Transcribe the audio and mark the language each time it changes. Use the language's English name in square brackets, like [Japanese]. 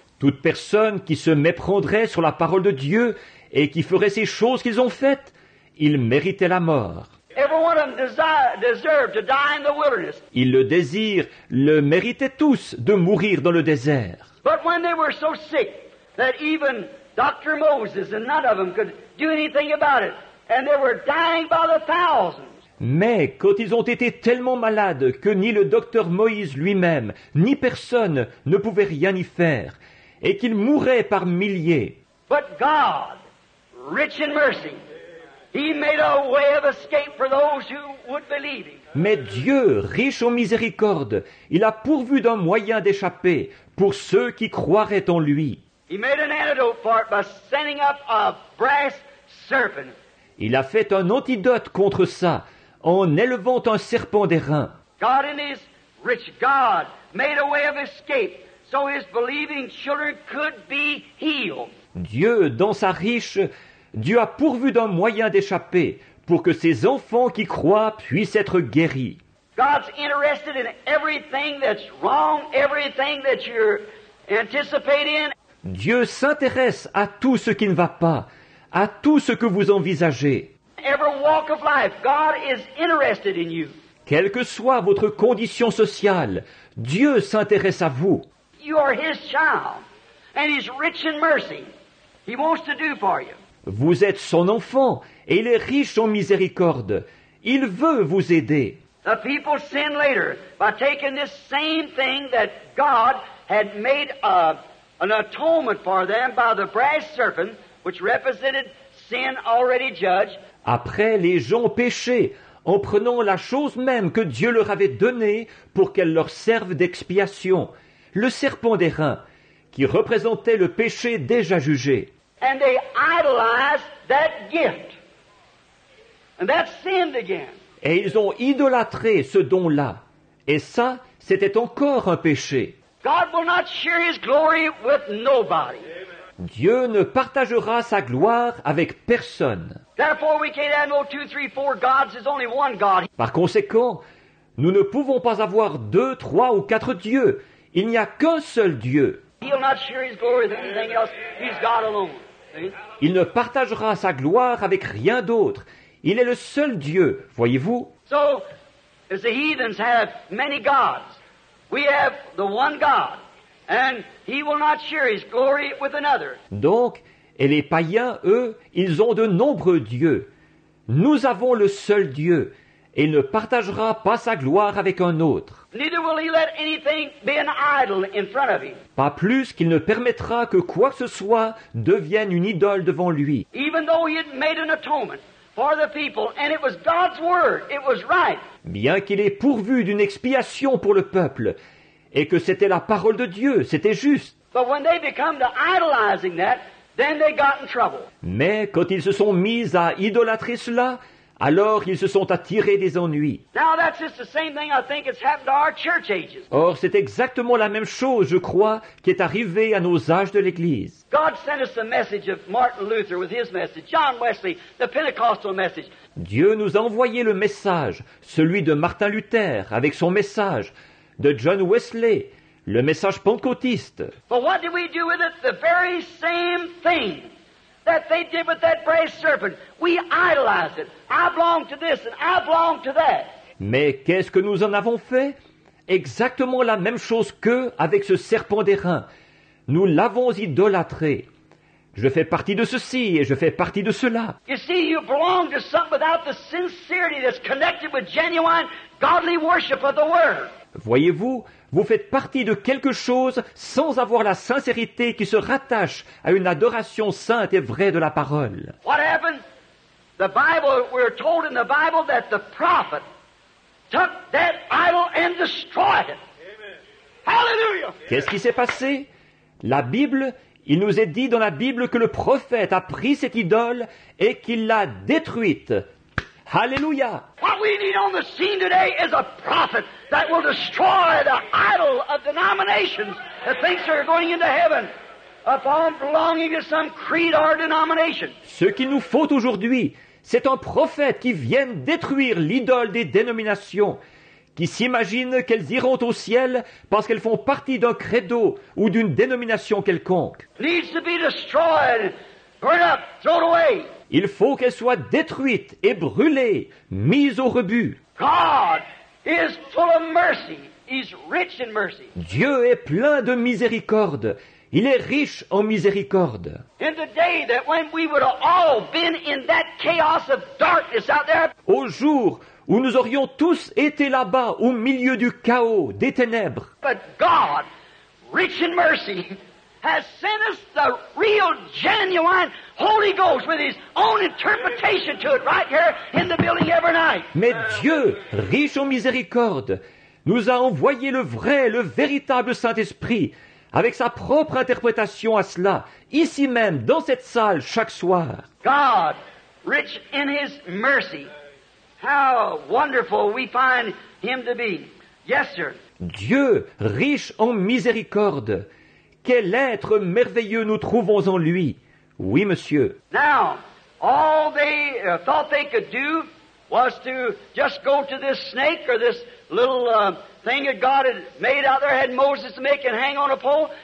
[French] Toute personne qui se méprendrait sur la parole de Dieu et qui ferait ces choses qu'ils ont faites, ils méritaient la mort. [English] Every one of them deserved to die in the wilderness. [French] Ils le désirent, le méritaient tous de mourir dans le désert. [English] But when they were so sick that even Dr. Moses and none of them could do anything about it, and they were dying by the thousands. [French] Mais quand ils ont été tellement malades que ni le docteur Moïse lui-même, ni personne ne pouvait rien y faire, et qu'ils mouraient par milliers. [English] But God, rich in mercy, he made a way of escape for those who would believe him. [French] Mais Dieu, riche en miséricorde, il a pourvu d'un moyen d'échapper pour ceux qui croiraient en lui. [English] He made an antidote for it by sending up a brass serpent. [French] Il a fait un antidote contre ça, en élevant un serpent d'airain. [English] God in his rich God made a way of escape so his believing children could be healed. [French] Dieu, dans sa riche, Dieu a pourvu d'un moyen d'échapper pour que ses enfants qui croient puissent être guéris. [English] God's interested in everything that's wrong, everything that you're anticipating. [French] Dieu s'intéresse à tout ce qui ne va pas, à tout ce que vous envisagez. [English] Every walk of life, God is interested in you. [French] Quelle que soit votre condition sociale, Dieu s'intéresse à vous. [English] You are his child, and he's rich in mercy. He wants to do for you. [French] Vous êtes son enfant, et il est riche en miséricorde. Il veut vous aider. [English] The people sinned later by taking this same thing that God had made an atonement for them by the brass serpent, which represented sin already judged. [French] Après, les gens péchaient en prenant la chose même que Dieu leur avait donnée pour qu'elle leur serve d'expiation, le serpent d'airain, qui représentait le péché déjà jugé. [English] And they idolized that gift. And that sinned again. [French] Et ils ont idolâtré ce don-là. Et ça, c'était encore un péché. [English] God will not share his glory with nobody. Amen. [French] Dieu ne partagera sa gloire avec personne. [English] Therefore, we can't have no two, three, four gods. There's only one God. [French] Par conséquent, nous ne pouvons pas avoir deux, trois ou quatre dieux. Il n'y a qu'un seul Dieu. [English] He'll not share his glory with anything else. He's God alone. [French] Il ne partagera sa gloire avec rien d'autre. Il est le seul Dieu, voyez-vous. [English] So, as the heathens have many gods, we have the one God, and he will not share his glory with another. [French] Donc, et les païens, eux, ils ont de nombreux dieux. Nous avons le seul Dieu, et il ne partagera pas sa gloire avec un autre. [English] Neither will he let anything be an idol in front of him. [French] Pas plus qu'il ne permettra que quoi que ce soit devienne une idole devant lui. [English] Even though he had made an atonement for the people, and it was God's word, it was right. [French] Bien qu'il ait pourvu d'une expiation pour le peuple, et que c'était la parole de Dieu, c'était juste. [English] But when they become to idolizing that, then they got in trouble. [French] Mais quand ils se sont mis à idolâtrer cela, alors ils se sont attirés des ennuis. [English] Now that's just the same thing I think has happened to our church ages. [French] Or, c'est exactement la même chose, je crois, qui est arrivée à nos âges de l'Église. [English] God sent us the message of Martin Luther with his message, John Wesley, the Pentecostal message. [French] Dieu nous a envoyé le message, celui de Martin Luther avec son message, de John Wesley, le message pentecôtiste. [English] But what did we do with it? The very same thing that they did with that brazen serpent. We idolized it. I belong to this and I belong to that. [French] Mais qu'est-ce que nous en avons fait? Exactement la même chose qu'eux avec ce serpent d'airain. Nous l'avons idolâtré. Je fais partie de ceci et je fais partie de cela. [English] You see, you belong to something without the sincerity that's connected with genuine godly worship of the word. [French] Voyez-vous, vous faites partie de quelque chose sans avoir la sincérité qui se rattache à une adoration sainte et vraie de la parole. [English] What happened? The Bible, we're told in the Bible that the prophet took that idol and destroyed it. Hallelujah! [French] Qu'est-ce qui s'est passé? La Bible, il nous est dit dans la Bible que le prophète a pris cette idole et qu'il l'a détruite. Hallelujah! [English] What we need on the scene today is a prophet that will destroy the idol of denominations that thinks they're going into heaven upon belonging to some creed or denomination. [French] Ce qu'il nous faut aujourd'hui, c'est un prophète qui vienne détruire l'idole des dénominations, qui s'imagine qu'elles iront au ciel parce qu'elles font partie d'un credo ou d'une dénomination quelconque. [English] Needs to be destroyed, burned up, thrown away. [French] Il faut qu'elle soit détruite et brûlée, mise au rebut. [English] God is full of mercy. He's rich in mercy. [French] Dieu est plein de miséricorde. Il est riche en miséricorde. [English] In the day that when we would have all been in that chaos of darkness out there. [French] Au jour où nous aurions tous été là-bas, au milieu du chaos, des ténèbres. [English] But God, rich in mercy, has sent us the real, genuine Holy Ghost with his own interpretation to it right here in the building every night. [French] Mais Dieu, riche en miséricorde, nous a envoyé le vrai, le véritable Saint-Esprit avec sa propre interprétation à cela, ici même, dans cette salle, chaque soir. [English] God, rich in his mercy, how wonderful we find him to be. Yes, sir. [French] Dieu, riche en miséricorde, quel être merveilleux nous trouvons en lui. Oui, monsieur. [English] Now, all they thought they could do was to just go to this snake or this little thing that God had made out there, had Moses to make and hang on a pole.